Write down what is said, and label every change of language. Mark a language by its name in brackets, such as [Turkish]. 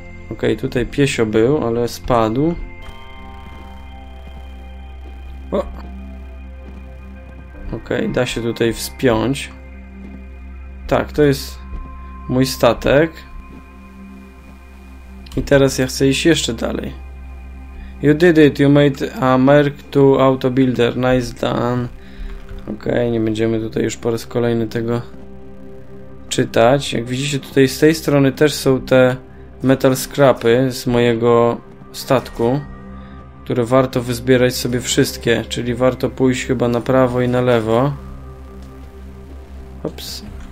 [Polish] Okej, tutaj piesio był, ale spadł. O! Okej, da się tutaj wspiąć. Tak, to jest mój statek. I teraz ja chcę iść jeszcze dalej. [English] You did it, you made a Mark II autobuilder, nice done. [Polish] Okej, nie będziemy tutaj już po raz kolejny tego czytać. Jak widzicie, tutaj z tej strony też są te metal scrapy z mojego statku, które warto wyzbierać sobie wszystkie, czyli warto pójść chyba na prawo i na lewo. Ops.